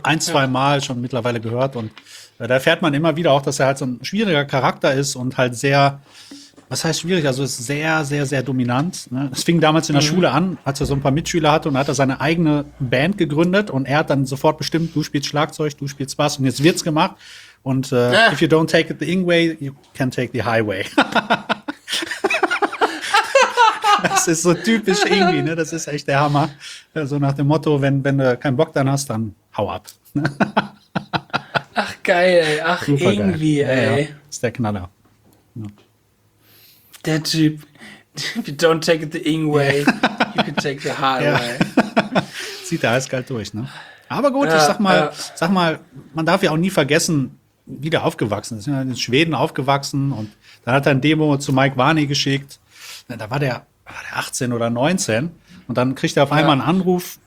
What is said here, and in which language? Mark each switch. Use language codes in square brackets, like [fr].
[de] ein, zwei Mal schon mittlerweile gehört. Und da erfährt man immer wieder auch, dass er halt so ein schwieriger Charakter ist und halt sehr, was heißt schwierig, also ist sehr, sehr, sehr dominant. Ne? Es fing damals in der Schule an, als er so ein paar Mitschüler hatte und hat er seine eigene Band gegründet und er hat dann sofort bestimmt, du spielst Schlagzeug, du spielst Bass und jetzt wird's gemacht. [en] Und if you don't take it the Ingway, you can take the highway. [de] Das ist so typisch irgendwie, ne? Das ist echt der Hammer. So also nach dem Motto, wenn du keinen Bock dann hast, dann hau ab. Ach geil, ey. Ach super irgendwie, geil, ey. Ja, ist der Knaller. Ja. Der Typ, [en] if you don't take it the Ingway, you can take the hard way. [de] Sieht der eiskalt durch, ne? Aber gut, ich sag mal, man darf ja auch nie vergessen, wie der aufgewachsen ist. Er ist in Schweden aufgewachsen und dann hat er ein Demo zu Mike Varney geschickt. Da war der 18 oder 19 und dann kriegt er auf einmal einen Anruf.